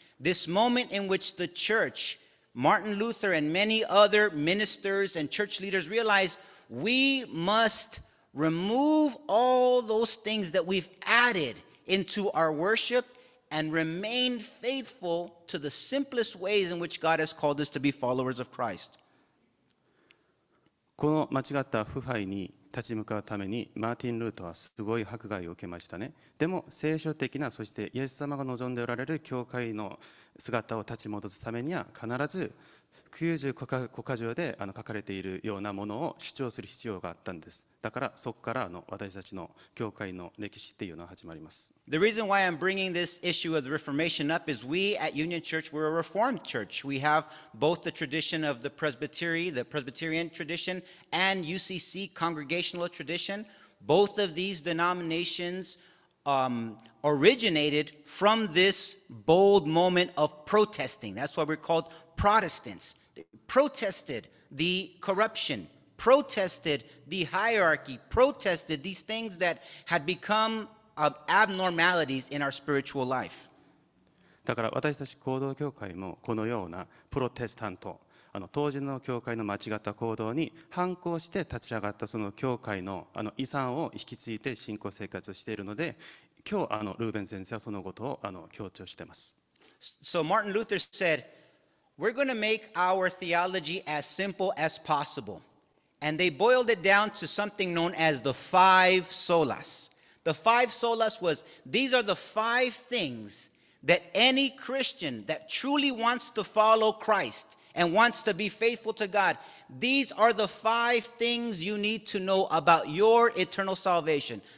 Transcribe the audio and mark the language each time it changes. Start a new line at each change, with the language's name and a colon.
English: This moment in which the church, Martin Luther and many other ministers and church leaders realized we must remove all those things that we've added into our worship. And remain faithful to the simplest ways in which God has called us to be followers of Christ.
Japanese: この間違った腐敗に立ち向かうためにマーティン・ルーターはすごい迫害を受けましたね。でも聖書的な、そしてイエス様が望んでおられる教会の姿を立ち戻すためには必ず95箇条で書かれているようなものを主張する必要があったんです。だからそこから私たちの教会の歴史っていうのは始まります。
English: The reason why I'm bringing this issue of the Reformation up is we at Union Church, we're a Reformed Church. We have both the tradition of the Presbytery, the Presbyterian tradition, and UCC, Congregational tradition. Both of these denominations, originated from this bold moment of protesting. That's why we're called Protestants. They protested the corruption. Protested the hierarchy, protested these things that had become abnormalities in our spiritual life.
Japanese: だから私たち合同教会もこのようなプロテスタント、あの当時の教会の間違った行動に反抗して立ち上がったその教会の、あの遺産を引き継いで信仰生活をしているので、今日あのルーベン先生はそのことをあの強調しています。
English: So Martin Luther said, we're going to make our theology as simple as possible. And they boiled it down to something known as the five solas. The five solas was, these are the five things that any Christian that truly wants to follow Christ and wants to be faithful to God, these are the five things you need to know about your eternal salvation.